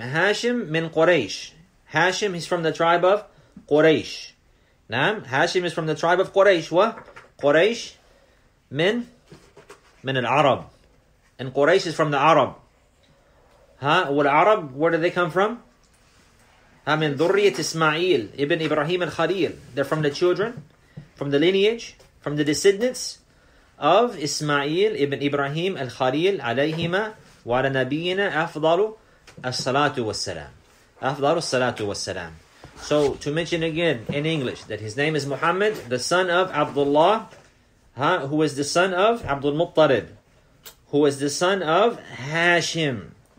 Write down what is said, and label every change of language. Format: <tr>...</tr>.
<en>Hashim min Quraysh. Hashim is from the tribe of Quraysh. Naam? Hashim is from the tribe of Quraysh.</en> <ar>Wa Quraysh من العرب.</ar> <en>And Quraysh is from the Arab. Huh? Well, Arab, where do they come from?</en> <ar>من ذرية إسماعيل ابن إبراهيم الخليل.</ar> <en>They're from the children, from the lineage, from the descendants of إسماعيل ابن إبراهيم الخليل</en> <ar>عليهما وعلى نبينا أفضل الصلاة والسلام. أفضل الصلاة والسلام.</ar> <en>So, to mention again in English that his name is Muhammad, the son of Abdullah, who is the son of Abdul Muttalib, who is the son of Hashim.</en>